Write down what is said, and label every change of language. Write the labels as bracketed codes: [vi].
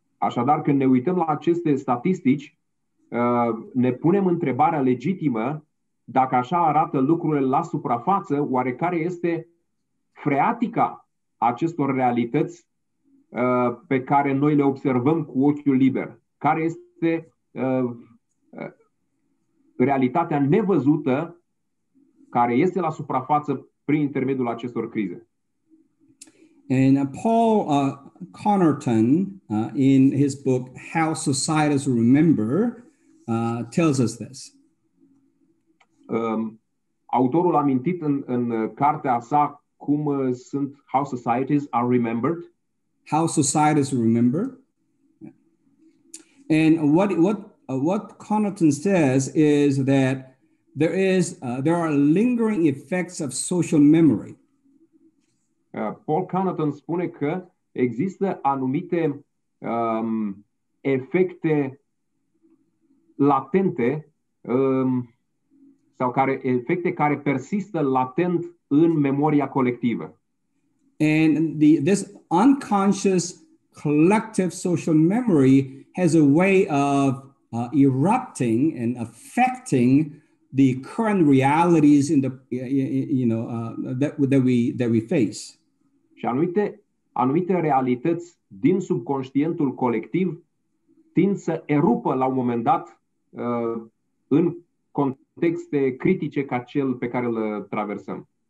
[ro] Așadar, când ne uităm la aceste statistici, ne punem întrebarea legitimă, dacă așa arată lucrurile la suprafață, oare care este freatica acestor realități pe care noi le observăm cu ochiul liber? Care este realitatea nevăzută care este la suprafață prin intermediul acestor crize? [en] And Paul Connerton, in his book How Societies Remember, tells us this. [ro] Autorul a amintit în cartea sa cum sunt [en] how societies are remembered. How societies remember. And what Connaughton says is that there are lingering effects of social memory. [ro] Paul Connaughton spune că există anumite efecte latente sau care efecte care persistă latent în memoria colectivă. [en] And this unconscious collective social memory has a way of erupting and affecting the current realities in the that we face. [ro] Și anumite realități din subconștientul colectiv tind să erupă la un moment dat în contexte critice ca cel pe care îl traversăm.